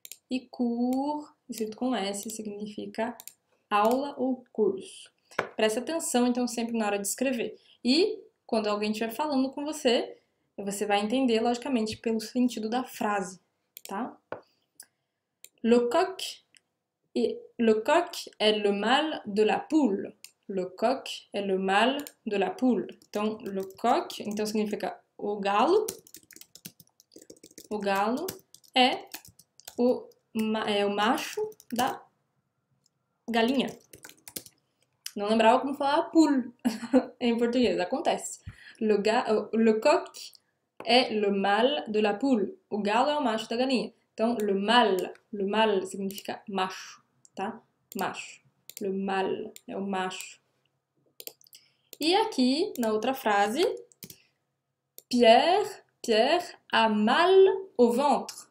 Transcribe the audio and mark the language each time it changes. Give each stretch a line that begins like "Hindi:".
Portuguese: E cours, escrito com S, significa aula ou curso. Preste atenção, então, sempre na hora de escrever. E quando alguém estiver falando com você, você vai entender, logicamente, pelo sentido da frase, tá?
French: Le coq est le mâle de la poule. Le coq est le mâle de la poule.
Portuguese: Então, le coq, então significa o galo. O galo é o macho da galinha. Não lembrava como falar poule em português. Acontece.
French: Le coq est le mâle de la poule.
Portuguese: O galo é o macho da galinha. Então, le mal significa macho, tá? Macho. Le mal é o macho. E aqui, na outra frase,
French: Pierre a mal au ventre.